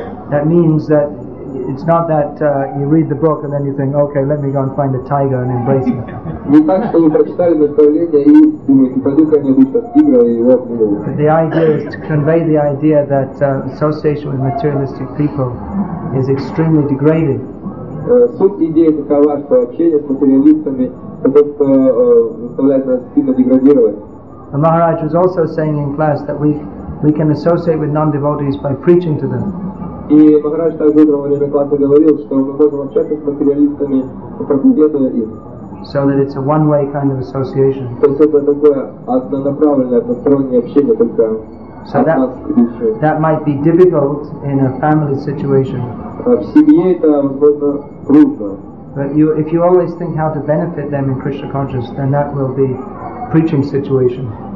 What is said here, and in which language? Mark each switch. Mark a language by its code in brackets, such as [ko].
[en] That means that it's not that you read the book and then you think, okay, let me go and find a tiger and embrace it. The idea is to convey the idea that association with materialistic people is extremely degrading. [ru] Суть идеи такова, что общение с материалистами это то, что заставляет нас сильно деградировать. [en] And Maharaj was also saying in class that we can associate with non-devotees by preaching to them. [ru] И Махарадж также утром во время класса говорил, что мы можем общаться с материалистами, проповедуя им. [en] So that it's a one-way kind of association. [ru] То есть это такое однонаправленное, одностороннее общение только. [en] So that might be difficult in a family situation. But if you always think how to benefit them in Krishna consciousness, then that will be a preaching situation.